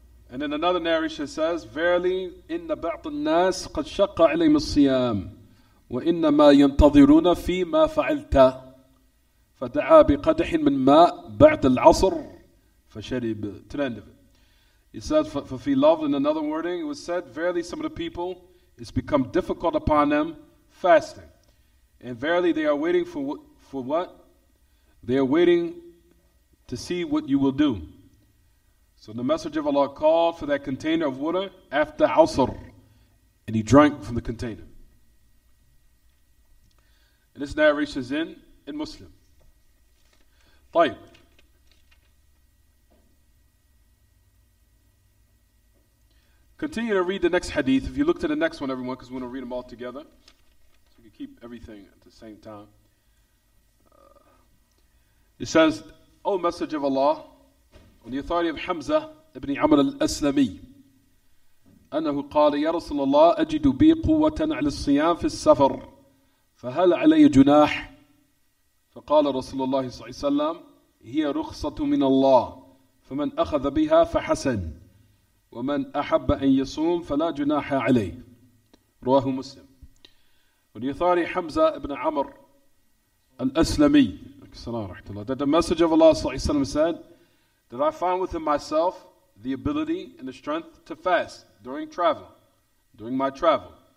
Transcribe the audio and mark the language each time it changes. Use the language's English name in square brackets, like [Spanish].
[English] And then another narration says, verily, [Arabic] إِنَّ بَعْضُ النَّاسِ قَدْ شَقَّ عَلَيْمُ الصِّيَامِ وَإِنَّمَا يَنْتَظِرُونَ فِي مَا فَعَلْتَ فَدَعَى بِقَدْحٍ مِنْ مَا بَعْدَ الْعَصْرِ فَشَرِبَ. [English] To the end of it. It said, for fee loved, in another wording, it was said, verily, some of the people, it's become difficult upon them fasting. And verily, they are waiting for what? They are waiting to see what you will do. So the Messenger of Allah called for that container of water after Asr, and he drank from the container. And this narration is in Muslim. [Arabic] طيب. [English] Continue to read the next hadith. If you look to the next one, everyone, because we're going to read them all together, so we can keep everything at the same time. It says, O Messenger of Allah, on the authority of Hamzah ibn Amr al-Aslami, [Arabic] أنه قال يا رسول الله أجد بي قوة على الصيام في السفر فهل علي جناح؟ فقال رسول الله صلى الله عليه وسلم هي رخصة من الله فمن أخذ بها فحسن ومن أحب أن يصوم فلا جناح عليه. رواه مسلم. [English] On the authority of Hamzah ibn Amr al-Aslami, that the Messenger of Allah صلى الله عليه وسلم said, that I find within myself the ability and the strength to fast during my travel.